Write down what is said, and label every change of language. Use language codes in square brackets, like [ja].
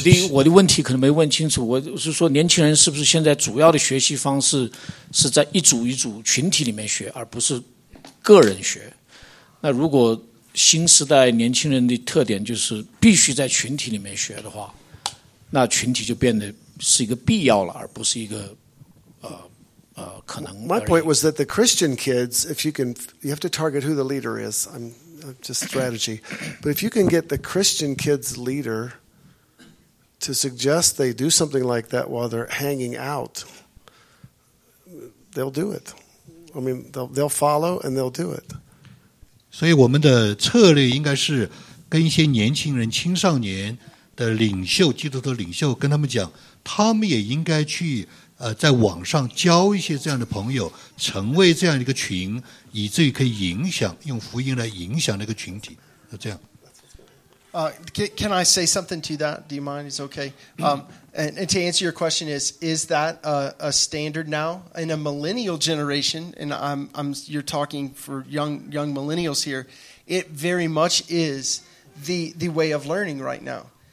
[zh] 我的问题可能没问清楚，我是说年轻人是不是现在主要的学习方式是在一组一组群体里面学，而不是个人学？那如果新时代年轻人的特点就是必须在群体里面学的话，那群体就变得是一个必要了，而不是一个可能。 [en] My point was that the Christian kids, if you can, you have to target who the leader is. I'm just strategy, but if you can get the Christian kids' leader to suggest they do something like that while they're hanging out, they'll do it. I mean, they'll follow and they'll do it. [zh] 所以我们的策略应该是跟一些年轻人、青少年的领袖、基督徒领袖跟他们讲，他们也应该去在网上交一些这样的朋友，成为这样一个群，以至于可以影响，用福音来影响那个群体，是这样。 [en] Can I say something to that? Do you mind? It's okay. And to answer your question is that a standard now in a millennial generation? And you're talking for young millennials here. It very much is the way of learning right now.